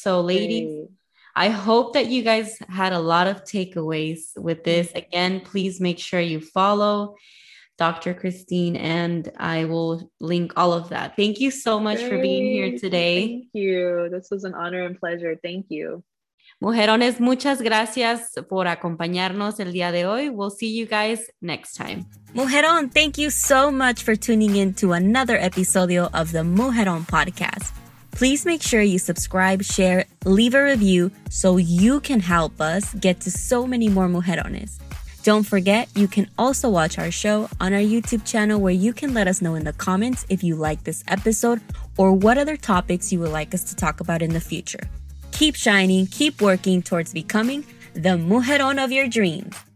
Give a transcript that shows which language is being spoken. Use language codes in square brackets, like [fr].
[en] So ladies, I hope that you guys had a lot of takeaways with this. Again, please make sure you follow Dr. Christine, and I will link all of that. Thank you so much for being here today. Thank you. This was an honor and pleasure. Thank you. [es] Mujerones, muchas gracias por acompañarnos el día de hoy. [en] We'll see you guys next time. Mujeron, thank you so much for tuning in to another episodio of the Mujeron Podcast. Please make sure you subscribe, share, leave a review so you can help us get to so many more mujerones. Don't forget, you can also watch our show on our YouTube channel, where you can let us know in the comments if you like this episode or what other topics you would like us to talk about in the future. Keep shining, keep working towards becoming the mujerón of your dreams.